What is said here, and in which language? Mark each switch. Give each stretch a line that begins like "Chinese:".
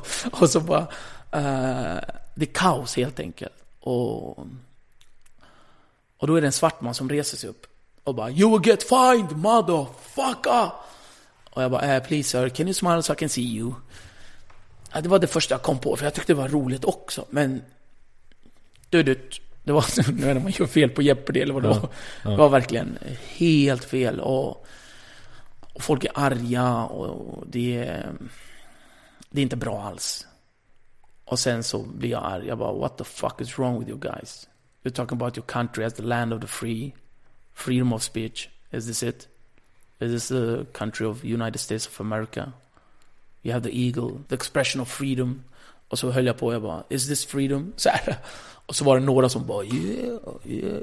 Swedish: Och så bara det är kaos helt enkelt. Och då är det en svart man som reser sig upp och bara,
English: you will get fined, motherfucker.
Swedish: Och jag bara,
English: please sir, can you smile so I can see you.
Swedish: Det var det första jag kom på, för jag tyckte det var roligt också. Men Det var när man gör fel på Jeopardy eller vad det var. Ja, ja. Det var verkligen helt fel. Och folk är arga och det är inte bra alls. Och sen så blir jag arg. Jag bara,
English: what the fuck is wrong with you guys? You're talking about your country as the land of the free. Freedom of speech. Is this it? Is this the country of United States of America? You have the eagle, the expression of freedom.
Swedish: Och så höll jag på och jag bara,
English: is this freedom?
Swedish: Så här. Och så var det några som bara,
English: yeah, yeah.